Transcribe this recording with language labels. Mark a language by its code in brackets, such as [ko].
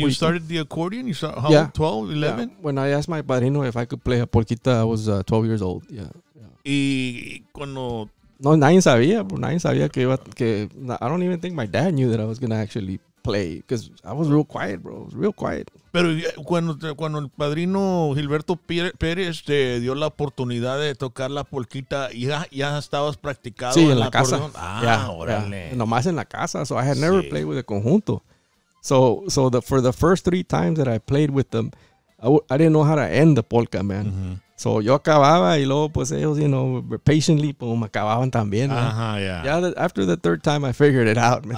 [en] You started the accordion, you saw, how yeah. old, 12, 11? Yeah. When I asked my padrino if I could play a poquita, I was 12 years old, yeah. [es] Yeah. Y cuando... No, nadie sabía que iba, que, [en] I don't even think my dad knew that I was going to actually play, because I was real quiet, bro, I was real quiet. [es] Pero cuando el padrino Gilberto Pérez te dio la oportunidad de tocar la polquita, ¿ya estabas practicado? Sí, en la casa. Ah, yeah, órale. [en] Yeah. [es] Nomás en la casa, [en] so I had never sí. played with a conjunto. So the, for the first three times that I played with them, I didn't know how to end the polka, man. [es] Mm-hmm. So yo acababa y luego pues ellos, [en] you know, patiently, [es] pues me acababan también. Ajá, uh-huh, yeah. [en] Yeah, after the third time I figured it out, man.